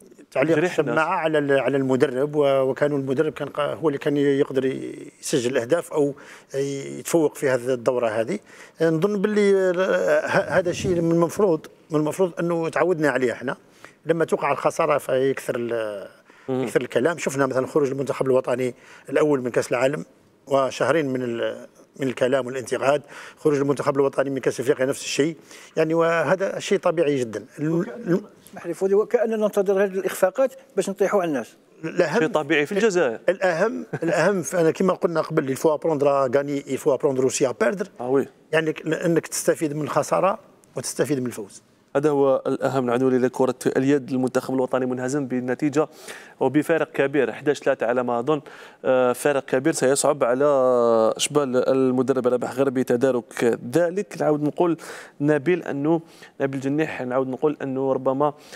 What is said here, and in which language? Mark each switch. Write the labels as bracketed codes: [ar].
[ar] تعليق السماعة على المدرب وكان المدرب كان هو اللي كان يقدر يسجل الأهداف أو يتفوق في هذه الدورة هذه نظن باللي هذا الشيء من المفروض أنه تعودنا عليه احنا لما توقع الخسارة فيكثر يكثر الكلام شفنا مثلا خروج المنتخب الوطني الأول من كأس العالم وشهرين من الكلام والانتقاد خروج المنتخب الوطني من كأس أفريقيا نفس الشيء يعني وهذا شيء طبيعي جدا محلفودي وكأننا ننتظر هذه الإخفاقات باش نطيحوا على الناس الأهم شيء طبيعي في الجزائر الأهم أنا كما قلنا قبل [fr] il faut apprendre à gagner il faut apprendre aussi à perdre [ar] آه وي. يعني أنك تستفيد من الخسارة وتستفيد من الفوز هذا هو الأهم نعود إلى كرة اليد المنتخب الوطني منهزم بنتيجة وبفارق كبير 11-3 على ما أظن فارق كبير سيصعب على شبال المدرب رباح غربي تدارك ذلك نعود نقول نبيل جنيح نعود نقول أنه ربما